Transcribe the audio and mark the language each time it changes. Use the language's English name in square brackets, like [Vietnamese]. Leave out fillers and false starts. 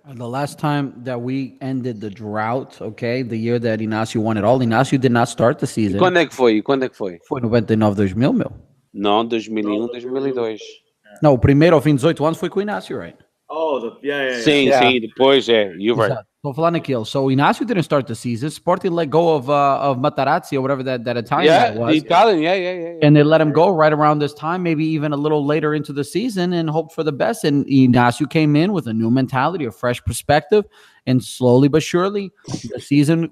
[English] The last time that we ended the drought, okay, the year that Inácio won it all, Inácio did not start the season. [Portuguese] Quando é que foi? Foi 99-2000, meu. Não, 2001-2002. Não, o primeiro ao fim de 18 anos foi com o Inácio, right? Sim, depois, [English] you're right. [Portuguese] Estou falando aquilo. [English] So, Inácio didn't start the season. Sporting let go of Matarazzi or whatever that Italian was. Yeah, the Italian. And they let him go right around this time, maybe even a little later into the season, and hope for the best. And Inácio came in with a new mentality, a fresh perspective, and slowly but surely, the season,